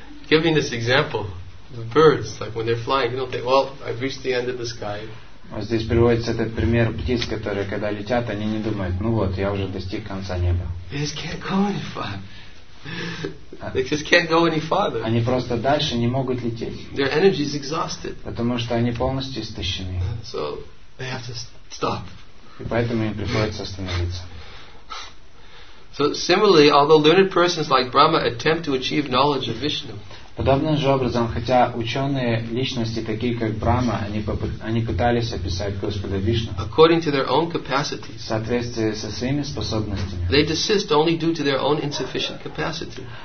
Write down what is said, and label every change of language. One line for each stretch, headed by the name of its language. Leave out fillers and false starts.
English: Giving this example, the birds, like when they're flying, you don't think, well, I've reached the end of the sky.
Russian: Вот здесь приводится этот пример птиц, которые когда летят, они не думают, ну вот, я уже достиг конца неба.
English: They just can't go any farther. They just can't go any farther.
Russian: Они просто дальше не могут лететь.
English: Their energy is exhausted.
Russian: Потому что они полностью истощены.
English: So they have to stop.
Russian: И поэтому им приходится остановиться.
English: So similarly, although learned persons like Brahma attempt to achieve knowledge of Vishnu,
Russian: подобным же образом, хотя ученые личности, такие как Брама, они пытались описать Господа Вишну
English: according to their own capacities,
Russian: в соответствии со своими способностями,
English: they desist only due to their own insufficient capacity.